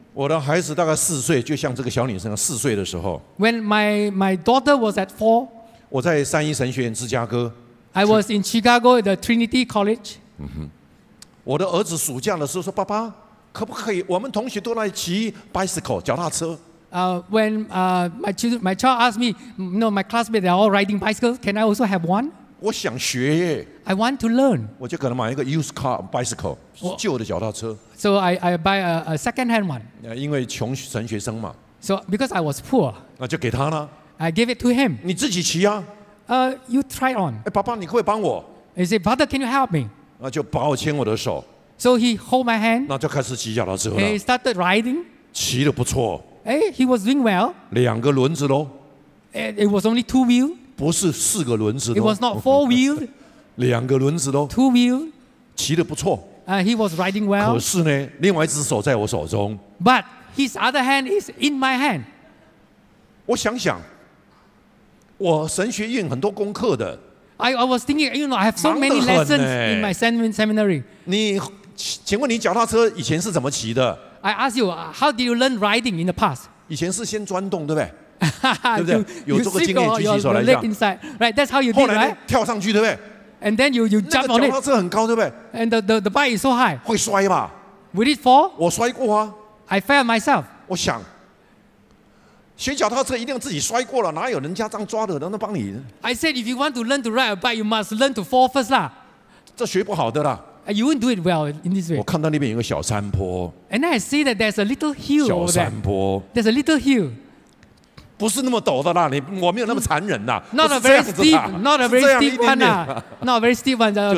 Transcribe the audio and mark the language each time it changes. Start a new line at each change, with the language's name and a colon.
Chinese: 我的孩子大概四岁，就像这个小女生四岁的时候。
English: When my daughter was at four.
Chinese: 我在三一神学院芝加哥。
English: I was in Chicago at the Trinity College.
Chinese: 我的儿子暑假的时候说：“爸爸，可不可以我们同学都来骑 bicycle 脚踏车？”
English: When my child asked me, no, my classmates are all riding bicycles. Can I also have one?
Chinese: 我想学耶。
English: I want to learn.
Chinese: 我就可能买一个
English: used car bicycle,
Chinese: 旧的脚踏车。
English: So I buy a second-hand one.
Chinese: 因为穷神学生嘛。
English: So because I was poor.
Chinese: 那就给他了。
English: I gave it to him.
Chinese: 你自己骑啊。
English: You try on.
Chinese: 哎，爸爸，你可不可以帮我
English: ？He said, Father, can you help me?
Chinese: 那就把我牵我的手。
English: So he hold my hand.
Chinese: 那就开始骑脚踏车了。
English: He started riding.
Chinese: 骑得不错。
English: Hey, he was doing well.
Chinese: 两个轮子咯。
English: It was only two wheels.
Chinese: 不是四个轮子咯。
English: It was not four wheels.
Chinese: 两个轮子咯。
English: Two wheels.
Chinese: 骑得不错。
English: He was riding well.
Chinese: 可是呢，另外一只手在我手中。
English: But his other hand is in my hand.
Chinese: 我想想，我神学院很多功课的。
English: I was thinking, you know, I have so many lessons in my seminary.
Chinese: 你请问你脚踏车以前是怎么骑的？
English: I ask you, how did you learn riding in the past?
Chinese: 以前是先钻洞，对不对？对不对？有这个经验，举起手来讲。
English: Right, that's how you did, right?
Chinese: 后来跳上去，对不对？
English: And then you jump on it.
Chinese: 那个脚踏车很高，对不对？
English: And the bike is so high.
Chinese: 会摔吧？
English: Would it fall?
Chinese: 我摔过啊。
English: I fell myself.
Chinese: 我想，学脚踏车一定要自己摔过了，哪有人家这样抓的，人家帮你
English: ？I said if you want to learn to ride a bike, you must learn to fall first, lah.
Chinese: 这学不好的啦。
English: You won't do it well in this way.
Chinese: 我看到那边有个小山坡。
English: And then I see that there's a little hill over there.
Chinese: 小山坡。
English: There's a little hill.
Chinese: 不是那么陡的啦，你我没有那么残忍呐。
English: Not a very steep, not a very steep one, lah. Not a very steep one, just a very